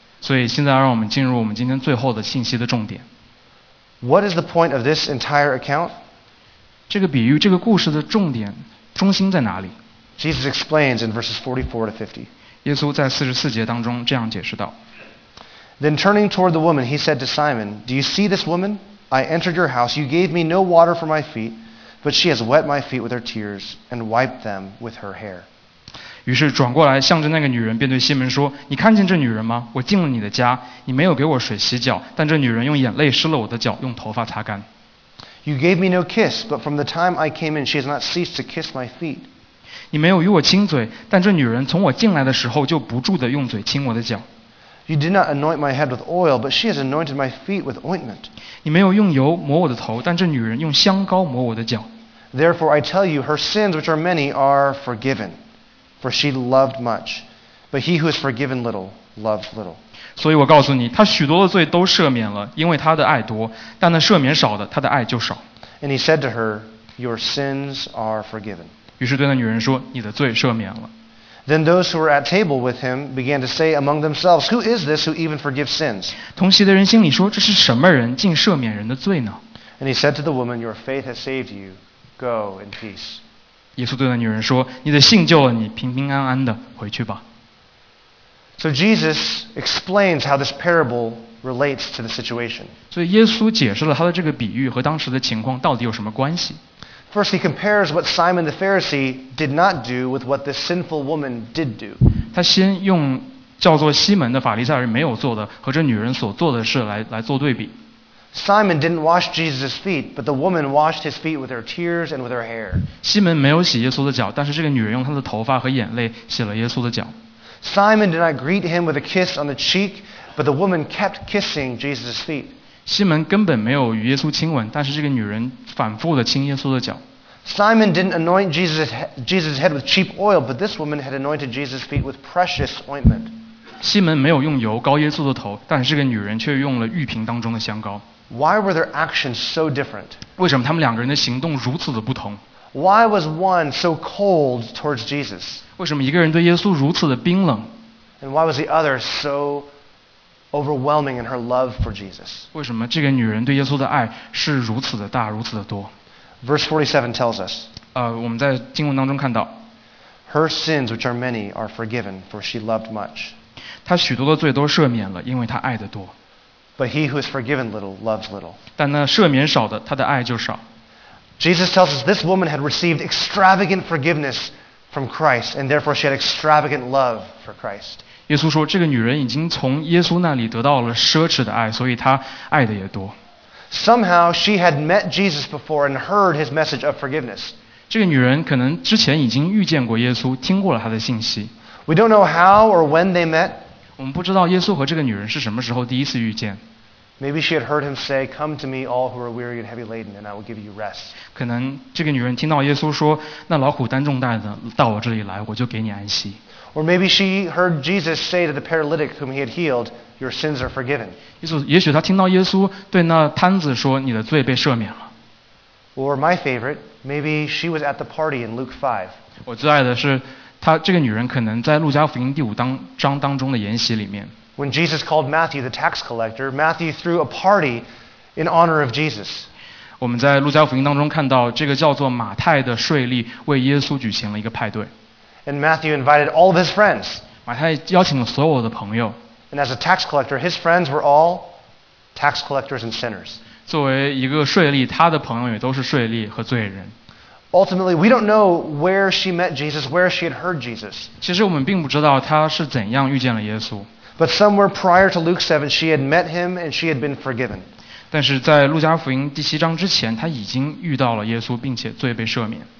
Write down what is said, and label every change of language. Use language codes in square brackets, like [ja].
[zh] 所以现在让我们进入我们今天最后的信息的重点。 [en] What is the point of this entire account? [zh] 这个比喻，这个故事的重点，中心在哪里？ [en] Jesus explains in verses 44 to 50. [zh] 耶稣在44节当中这样解释道。 [en] Then turning toward the woman, he said to Simon, "Do you see this woman? I entered your house. You gave me no water for my feet, but she has wet my feet with her tears and wiped them with her hair." [zh] 于是转过来向着那个女人便对西门说，你看见这女人吗？我进了你的家，你没有给我水洗脚，但这女人用眼泪湿了我的脚，用头发擦干。 [en] You gave me no kiss, but from the time I came in, she has not ceased to kiss my feet. [zh] 你没有与我亲嘴，但这女人从我进来的时候就不住地用嘴亲我的脚。 [en] You did not anoint my head with oil, but she has anointed my feet with ointment. [zh] 你没有用油抹我的头，但这女人用香膏抹我的脚。 [en] Therefore I tell you, her sins, which are many, are forgiven. For she loved much, but he who is forgiven little loves little. [zh] 所以我告诉你，他许多的罪都赦免了，因为他的爱多；但那赦免少的，他的爱就少。 [en] And he said to her, "Your sins are forgiven." [zh] 于是对那女人说，你的罪赦免了。 [en] Then those who were at table with him began to say among themselves, "Who is this who even forgives sins?" [zh] 同席的人心里说，这是什么人，竟赦免人的罪呢？ [en] And he said to the woman, "Your faith has saved you. Go in peace." [zh] 耶稣对那女人说，你的信救了你，平平安安的回去吧。 [en] So Jesus explains how this parable relates to the situation. [zh] 所以耶稣解释了他的这个比喻和当时的情况到底有什么关系。 [en] First, he compares what Simon the Pharisee did not do with what this sinful woman did do. [zh] 他先用叫做西门的法利赛人没有做的和这女人所做的事来做对比。 [en] Simon didn't wash Jesus' feet, but the woman washed his feet with her tears and with her hair. [zh] 西门没有洗耶稣的脚，但是这个女人用她的头发和眼泪洗了耶稣的脚。 [en] Simon did not greet him with a kiss on the cheek, but the woman kept kissing Jesus' feet. [zh] 西门根本没有与耶稣亲吻，但是这个女人反复地亲耶稣的脚。 [en] Simon didn't anoint Jesus' head with cheap oil, but this woman had anointed Jesus' feet with precious ointment. [zh] 西门没有用油膏耶稣的头，但是这个女人却用了浴瓶当中的香膏。 [en] Why were their actions so different? [zh] 为什么他们两个人的行动如此的不同？ [en] Why was one so cold towards Jesus? [zh] 为什么一个人对耶稣如此的冰冷？ [en] And why was the other so overwhelming in her love for Jesus? [zh] 为什么这个女人对耶稣的爱是如此的大，如此的多？ [en] Verse 47 tells us. [zh] 我们在经文当中看到。 [en] Her sins, which are many, are forgiven, for she loved much. [zh] 她许多的罪都赦免了，因为她爱得多。 [en] But he who is forgiven little loves little. [zh] 但那赦免少的，他的爱就少。 [en] Jesus tells us this woman had received extravagant forgiveness from Christ, and therefore she had extravagant love for Christ. [zh] 耶稣说，这个女人已经从耶稣那里得到了奢侈的爱，所以她爱的也多。 [en] Somehow she had met Jesus before and heard his message of forgiveness. [zh] 这个女人可能之前已经遇见过耶稣，听过了他的信息。 [en] We don't know how or when they met. [zh] 我们不知道耶稣和这个女人是什么时候第一次遇见。 [en] Maybe she had heard him say, "Come to me, all who are weary and heavy laden, and I will give you rest." [zh] 可能这个女人听到耶稣说，那劳苦担重担的到我这里来，我就给你安息。 [en] Or maybe she heard Jesus say to the paralytic whom he had healed, "Your sins are forgiven." [zh] 也许她听到耶稣对那瘫子说，你的罪被赦免了。 [en] Or my favorite, maybe she was at the party in Luke 5. [zh] 我最爱的是她这个女人可能在路加福音第五章当中的筵席里面。 [en] When Jesus called Matthew the tax collector, Matthew threw a party in honor of Jesus. [zh] 我们在路加福音当中看到这个叫做马太的税吏为耶稣举行了一个派对。 [en] And Matthew invited all of his friends. [zh] 马太邀请了所有的朋友。 [en] And as a tax collector, his friends were all tax collectors and sinners. [zh] 作为一个税吏，他的朋友也都是税吏和罪人。 [en] Ultimately, we don't know where she met Jesus, where she had heard Jesus. [zh] 其实我们并不知道她是怎样遇见了耶稣。 [en] But somewhere prior to Luke 7, she had met him and she had been forgiven. [zh] 但是在路加福音第七章之前，她已经遇到了耶稣，并且罪被赦免。